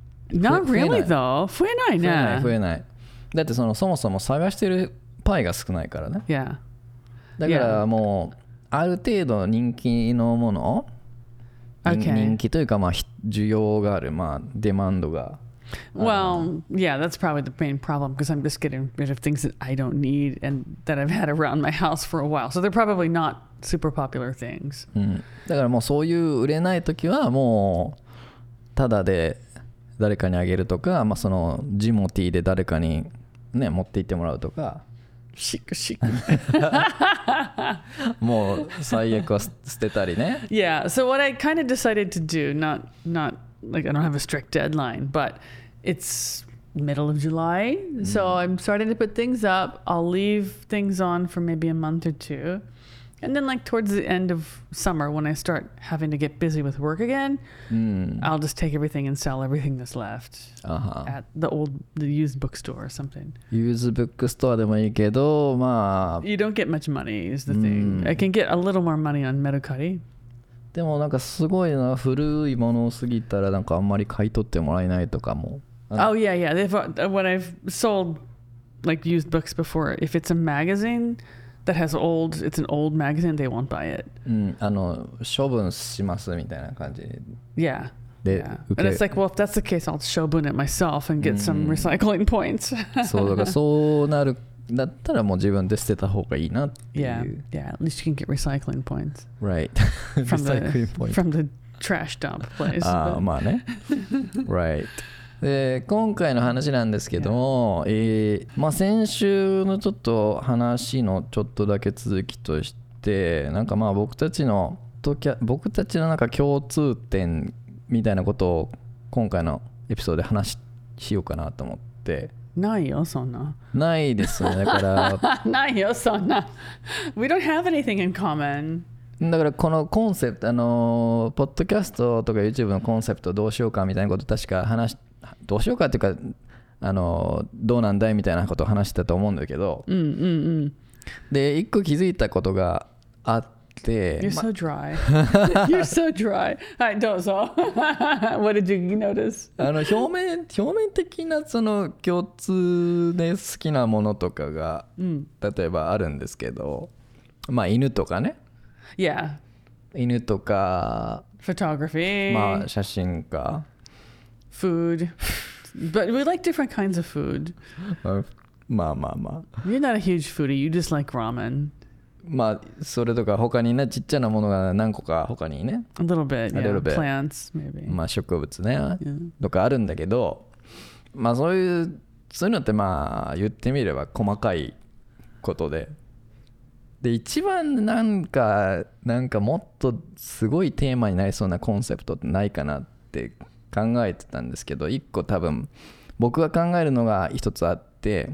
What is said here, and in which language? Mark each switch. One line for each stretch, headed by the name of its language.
English: Not really though.
Japanese: 増えないね。増えない増えない。だってそもそも探してるパイが少ないからね。
English: Yeah.
Japanese: だからもう。
English: Yeah.
Japanese: ある程度人気のもの、
English: okay.
Japanese: 人気というかまあ需要がある、まあ、デマンドが。
English: Well, yeah, that's probably the main problem because I'm just getting rid of things that I don't need and that I've had around my house for a while. So they're probably not super popular things.、
Japanese: だからもうそういう売れない時はもうただで誰かにあげるとか、まあ、そのジモティで誰かに、ね、持って行ってもらうとか。シクシクもう最悪は捨てたりね。
English: Yeah, so what I kind of decided to do, not like I don't have a strict deadline, but it's middle of July, so I'm starting to put things up. I'll leave things on for maybe a month or two, And then like towards the end of summer, when I start having to get busy with work again, I'll just take everything and sell everything that's left at the used bookstore or something. Used bookstore
Japanese: でもいいけど、まあ、
English: You don't get much money is the thing. I can get a little more money on Mercari.
Japanese: でもなんかすごいな古いものを過ぎたらなんかあんまり買い取ってもらえないとかも。
English: Oh yeah, yeah. If, when I've sold like used books before, if it's a magazine that has old, it's an old magazine, they won't buy it.
Japanese: うん、あの処分しますみたいな感じ。
English: Yeah. で、yeah. And it's like, well, if that's the case, I'll 処分 it myself and get some recycling points.
Japanese: そうだからそうなる。だったらもう自分で捨てた方がいいなっていう。
English: Yeah, yeah. At least you can get recycling points. Right. recycling points. From the trash dump place.
Japanese: ああ、まあね。
English: Right.
Japanese: で、今回の話なんですけども、yeah. まあ先週のちょっと話のちょっとだけ続きとして、なんかまあ僕たちのなんか共通点みたいなことを今回のエピソードで話しようかなと思って。ないよそんなないですねだからないよそんな
English: We don't have anything in common
Japanese: だからこのコンセプトポッドキャストとか YouTube のコンセプトどうしようかみたいなこと確か話どうしようかっていうかどうなんだいみたいなことを話したと思うんだけどうんうんうんで一個気づいたことがあって
English: You're so dry You're so dry
Japanese: はいどうぞ
English: What did you notice?
Japanese: 表面的なその共通で好きなものとかが、うん、例えばあるんですけどまあ犬とかね
English: Yeah
Japanese: 犬とか
English: Photography
Japanese: まあ写真家
English: Food But we like different kinds of food
Japanese: まあまあまあ
English: You're not a huge foodie You just like ramen
Japanese: まあそれとか他にねちっちゃなものが何個か他にね
English: A little bit, yeah. A little bit. Plants, maybe.
Japanese: まあ植物ね、yeah. とかあるんだけどまあそういうのってまあ言ってみれば細かいことでで一番なんかもっとすごいテーマになりそうなコンセプトってないかなって考えてたんですけど一個多分僕が考えるのが一つあって、